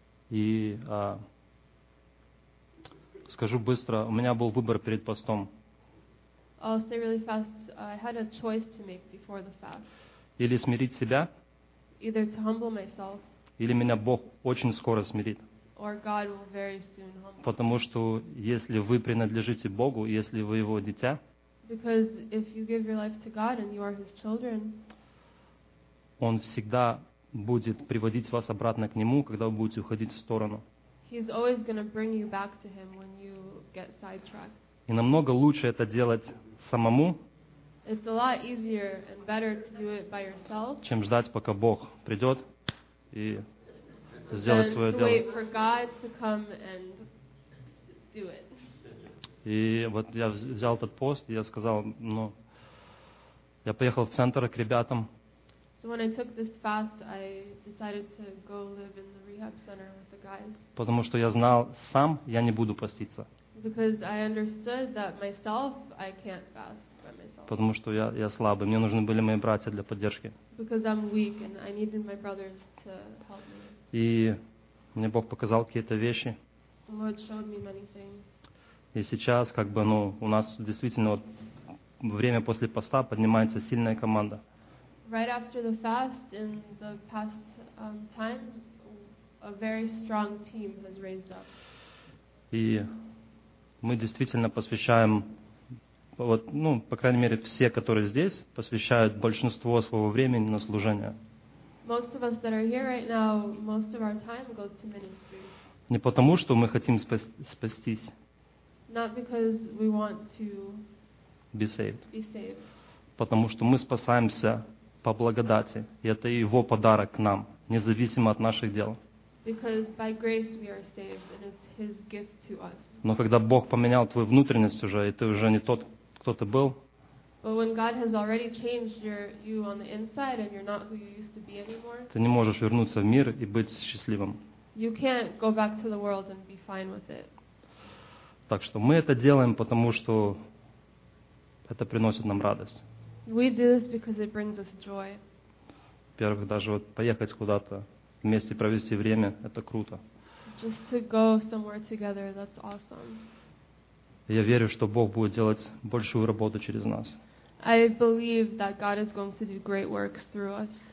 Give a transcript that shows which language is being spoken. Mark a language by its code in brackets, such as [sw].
[ru] И скажу быстро, у меня был выбор перед постом. [en] I'll say really fast, I had a choice to make before the fast. [ru] Или смирить себя. [en] Either to humble myself. [ru] Или меня Бог очень скоро смирит. [en] Or God will very soon humble. [ru] Потому что если вы принадлежите Богу, если вы Его дитя, [en] because if you give your life to God and you are His children, [ru] Он всегда будет приводить вас обратно к Нему, когда вы будете уходить в сторону. [en] He's always going to bring you back to Him when you get sidetracked. [ru] И намного лучше это делать самому, [en] it's a lot easier and better to do it by yourself, [ru] чем ждать, пока Бог придет и сделает свое дело. [en] Wait for God to come and do it. [ru] И вот я взял этот пост, и я сказал, ну, я поехал в центр к ребятам. [en] So when I took this fast, I decided to go live in the rehab center with the guys. [ru] Потому что я знал сам, я не буду поститься. [en] Because I understood that myself, I can't fast by myself. [ru] Потому что я слабый, мне нужны были мои братья для поддержки. [en] Because I'm weak and I needed my brothers to help me. [ru] И Мне Бог показал какие-то вещи. [en] The Lord showed me many things. [ru] И сейчас, как бы, ну, у нас действительно вот, время после поста поднимается сильная команда. [en] Right after the fast, in the past time, a very strong team has raised up. [ru] И мы действительно посвящаем, вот, ну, по крайней мере, все, которые здесь, посвящают большинство своего времени на служение. [en] Most of us that are here right now, most of our time goes to ministry. [ru] Не потому, что мы хотим спастись. [en] Not because we want to be saved. Be saved. [ru] Потому что мы спасаемся по благодати. И это Его подарок к нам, независимо от наших дел. [en] Because by grace we are saved, and it's His gift to us. [ru] Но когда Бог поменял твою внутренность уже, и ты уже не тот, кто ты был, [en] but when God has already changed you on the inside and you're not who you used to be anymore, [ru] ты не можешь вернуться в мир и быть счастливым. [en] You can't go back to the world and be fine with it. [ru] Так что мы это делаем, потому что это приносит нам радость. [en] We do this because it brings us joy. [ru] Во-первых, даже вот поехать куда-то, вместе провести время, это круто. [en] Just to go somewhere together, that's awesome. [ru] Я верю, что Бог будет делать большую работу через нас. [en] I believe that God is going to do great works through us.